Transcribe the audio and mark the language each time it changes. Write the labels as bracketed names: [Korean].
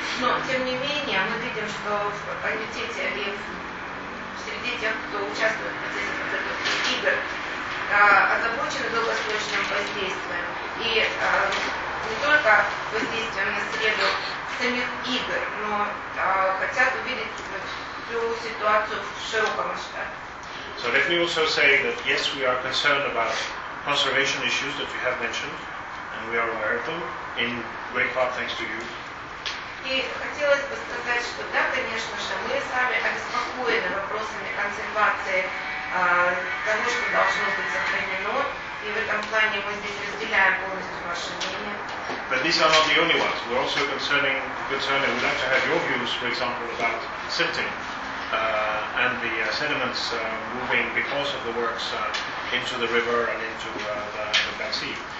[Russian] Но тем не менее мы видим, что в комитете и в среди тех, кто участвует в процессе подготовки игр, озабочены долгосрочным воздействием. И не только воздействием на среду самих игр, но хотят увидеть всю ситуацию в широком масштабе. [English] So let me also say that yes, we are concerned about conservation issues that you have mentioned, and we are aware of them, in great part thanks to you. [Russian] И хотелось бы сказать, что да, конечно же, мы сами обеспокоены вопросами консервации того, что должно быть сохранено, и в этом плане мы здесь разделяем полностью ваше мнение. [English] But these are not the only ones. We're also concerned, we'd like to have your views, for example, about sifting and the sediments moving because of the works into the river and into the Black Sea.